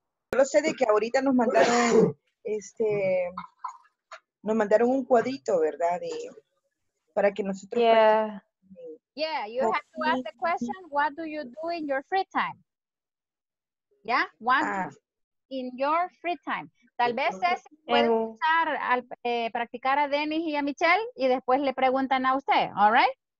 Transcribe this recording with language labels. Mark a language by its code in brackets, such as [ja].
[es] Yo lo sé de que ahorita nos mandaron nos mandaron un cuadrito, ¿verdad? Para que nosotros [en] Yeah, you have to ask the question, what do you do in your free time? Yeah, in your free time. [es] Tal vez es, puede usar al practicar a Dennis y a Michelle y después le preguntan a usted, all right?